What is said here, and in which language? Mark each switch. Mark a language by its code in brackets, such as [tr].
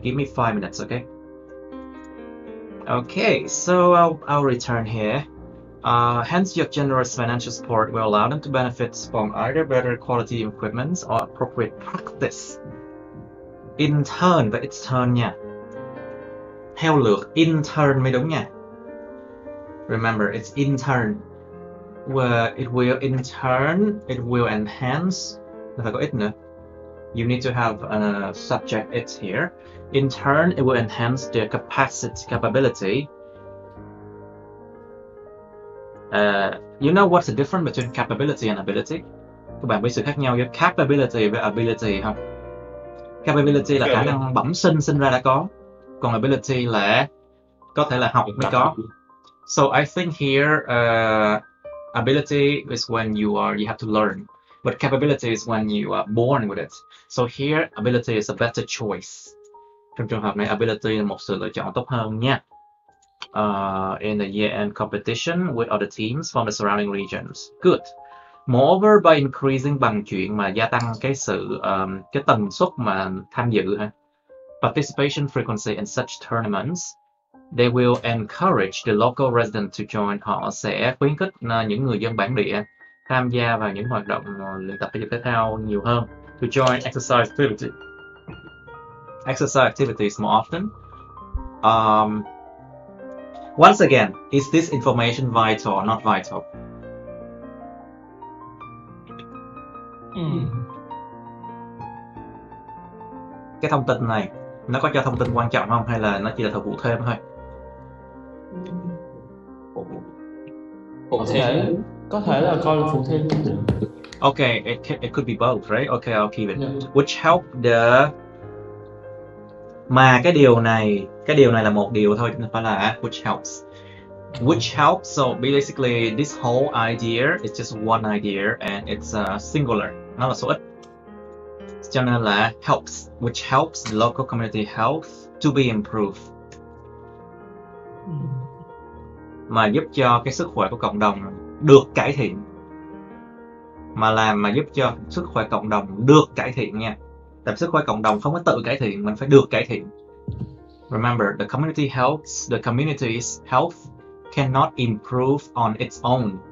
[en] Give me 5 minutes, okay? Okay, so I'll return here. Hence, your generous financial support will allow them to benefit from either better quality equipment or appropriate practice. In turn, [vi] và [en] its turn nha. [vi] Theo lượt, [en] in turn [vi] mới đúng nha. [en] Remember, it's in turn. Where it will in turn, it will enhance. [vi] Phải có it nữa. [en] You need to have a subject it here. In turn, it will enhance their capability. You know what's the difference between capability and ability? [vi] Các bạn biết sự khác nhau giữa capability với ability không? Capability là khả năng bẩm sinh sinh ra đã có, còn ability là có thể là học mới có. [en] So I think here, ability is when you have to learn, but capability is when you are born with it. So here, ability is a better choice. [vi] Trong trường hợp này, ability là một sự lựa chọn tốt hơn nha. [en] In the year-end competition with other teams from the surrounding regions. Good. Moreover, by increasing [vi] bằng chuyện mà gia tăng cái sự cái tần suất mà tham dự ha. [en] Participation frequency in such tournaments, they will encourage the local resident to join. [vi] Họ sẽ khuyến khích những người dân bản địa tham gia vào những hoạt động luyện tập thể thao nhiều hơn. [en] To join exercise activities more often. Once again, is this information vital or not vital? [vi] Cái thông tin này nó có cho thông tin quan trọng không hay là nó chỉ là thời vụ thêm thôi? Có thể là coi là phụ thêm. [en] Okay, it could be both, right? Okay, I'll keep it. Which help the [vi] Mà cái điều này là một điều thôi, phải là [en] which helps. So basically this whole idea is just one idea and it's singular, [vi] nó là số ít. cho nên là helps, [en] which helps the local community health to be improved, [vi] mà giúp cho cái sức khỏe của cộng đồng được cải thiện, mà làm mà giúp cho sức khỏe cộng đồng được cải thiện nha. Tại sức khỏe cộng đồng không có tự cải thiện, mình phải được cải thiện. [en] Remember, the community health, the community's health cannot improve on its own.